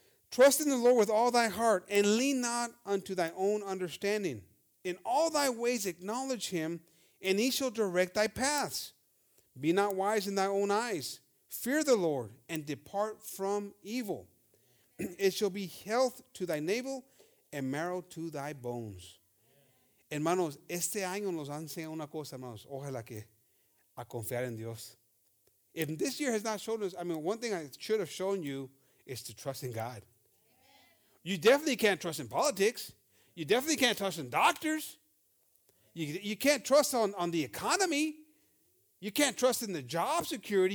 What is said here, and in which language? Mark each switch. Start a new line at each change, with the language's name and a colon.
English: Trust in the Lord with all thy heart and lean not unto thy own understanding. In all thy ways acknowledge him, and he shall direct thy paths. Be not wise in thy own eyes. Fear the Lord and depart from evil. It shall be health to thy navel and marrow to thy bones.
Spanish: Hermanos, este año nos han enseñado una cosa, hermanos. Ojalá que a confiar en Dios.
English: If this year has not shown us, I mean, one thing I should have shown you is to trust in God. You definitely can't trust in politics. You definitely can't trust in doctors. You can't trust on the economy. You can't trust in the job security.